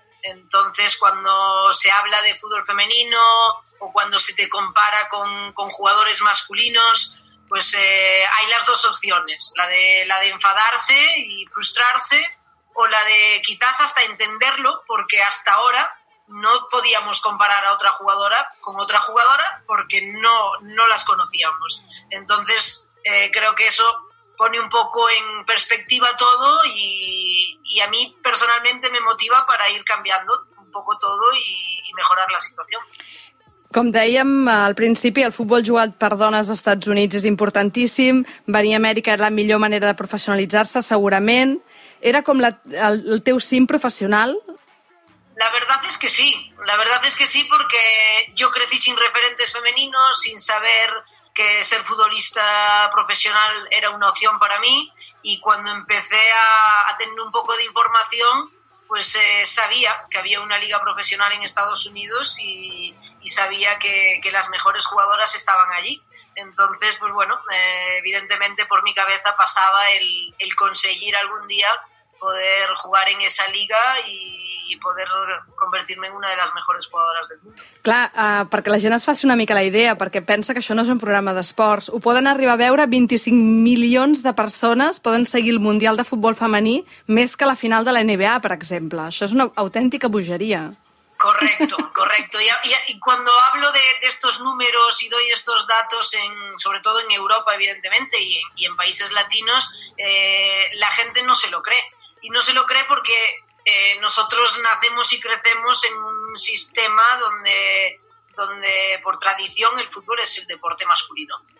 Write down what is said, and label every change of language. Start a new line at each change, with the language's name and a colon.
Spanish: Entonces, cuando se habla de fútbol femenino o cuando se te compara con jugadores masculinos, pues hay las dos opciones, la de enfadarse y frustrarse o la de quizás hasta entenderlo, porque hasta ahora no podíamos comparar a otra jugadora con otra jugadora porque no las conocíamos. Entonces, creo que eso pone un poco en perspectiva todo y a mí personalmente me motiva para ir cambiando un poco todo y mejorar la situación.
Catalan: Com dèiem al principi, el futbol jugat per dones als Estats Units és importantíssim. Venir a Amèrica era la millor manera de professionalitzar-se, segurament. Era com el teu cim professional?
Spanish: La verdad es que sí. La verdad es que sí, porque yo crecí sin referentes femeninos, sin saber que ser futbolista profesional era una opción para mí, y cuando empecé a tener un poco de información, pues sabía que había una liga profesional en Estados Unidos y sabía que las mejores jugadoras estaban allí. Entonces, pues bueno, evidentemente por mi cabeza pasaba el conseguir algún día poder jugar en esa liga y poder convertirme en una de las mejores jugadoras del mundo.
Catalan: Clar, perquè la gent es faci una mica la idea, perquè pensa que això no és un programa d'esports. Ho poden arribar a veure 25 milions de persones, poden seguir el Mundial de Futbol Femení més que la final de la NBA, per exemple. Això és una autèntica bogeria.
Spanish: Correcto, correcto. Y cuando hablo de estos números y doy estos datos, sobre todo en Europa, evidentemente, y en países latinos, la gente no se lo cree. Y no se lo cree porque nosotros nacemos y crecemos en un sistema donde por tradición el fútbol es el deporte masculino.